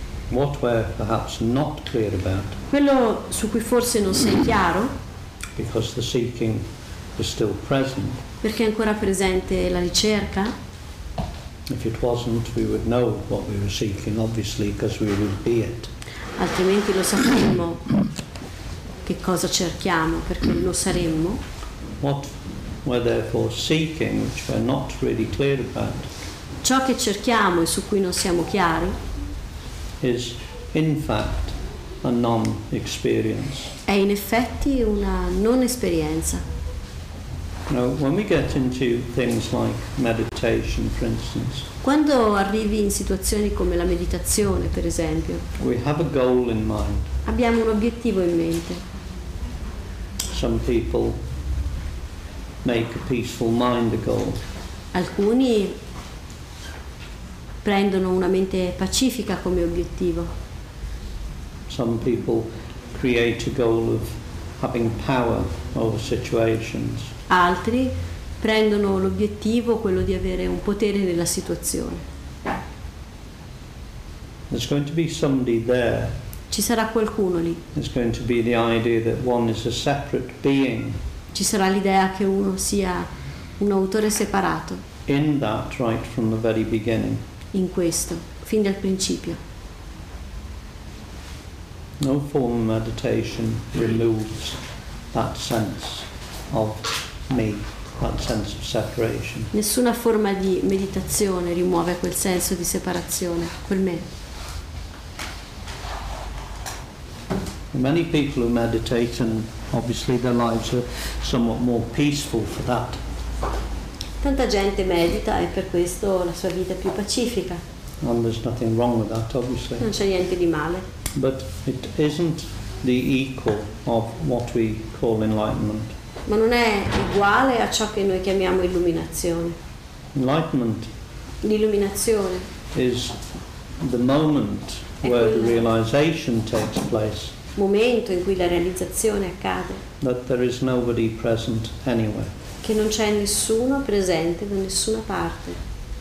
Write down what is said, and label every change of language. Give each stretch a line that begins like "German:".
English: what we're perhaps not clear about
Italian: quello su cui forse non sei chiaro
English: because the seeking is still present
Italian: perché è ancora presente la ricerca
English: if it wasn't we would know what we were seeking obviously because we would be it
Italian: altrimenti lo sapremmo che cosa cerchiamo perché lo saremmo
English: what we're therefore seeking which we're not really clear about
Italian: ciò che cerchiamo e su cui non siamo chiari
English: is in fact a non experience
Italian: è in effetti una non esperienza
English: now when we get into things like meditation for instance
Italian: quando arrivi in situazioni come la meditazione per esempio
English: we have a goal in mind
Italian: abbiamo un obiettivo in mente
English: some people make a peaceful mind a goal
Italian: alcuni prendono una mente pacifica come obiettivo
English: Some people create a goal of having power over situations.
Italian: Altri prendono l'obiettivo quello di avere un potere nella situazione.
English: There's going to be somebody there.
Italian: Ci sarà qualcuno lì.
English: There's going to be the idea that one is a separate being.
Italian: Ci sarà l'idea che uno sia un autore separato.
English: In that, right from the very beginning.
Italian: In questo, fin dal principio.
English: No form of meditation removes that sense of me, that sense of separation.
Italian: Nessuna forma di meditazione rimuove quel senso di separazione, quel me.
English: Many people who meditate, and obviously their lives are somewhat more peaceful for that.
Italian: Tanta gente medita e per questo la sua vita è più pacifica.
English: And there's nothing wrong with that, obviously.
Italian: Non c'è niente di male.
English: But it isn't the equal of what we call enlightenment.
Italian: Ma non è uguale a ciò che noi chiamiamo illuminazione.
English: Enlightenment.
Italian: L'illuminazione.
English: Is the moment where the realization takes place.
Italian: Momento in cui la realizzazione accade.
English: That there is nobody present anywhere.
Italian: Che non c'è nessuno presente da nessuna parte.